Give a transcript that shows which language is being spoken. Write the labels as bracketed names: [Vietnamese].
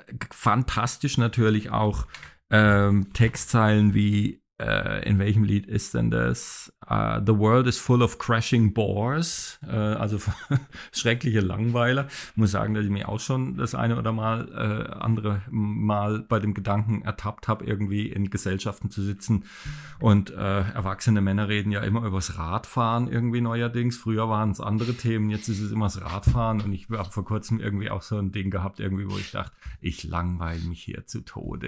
[German] Fantastisch natürlich auch Textzeilen wie, in welchem Lied ist denn das? [English] The world is full of crashing bores. [German] Also schreckliche Langweiler. Ich muss sagen, dass ich mich auch schon das eine oder mal andere Mal bei dem Gedanken ertappt habe, irgendwie in Gesellschaften zu sitzen. Und erwachsene Männer reden ja immer übers Radfahren irgendwie neuerdings. Früher waren es andere Themen, jetzt ist es immer das Radfahren. Und ich habe vor kurzem irgendwie auch so ein Ding gehabt, irgendwie, wo ich dachte, ich langweile mich hier zu Tode.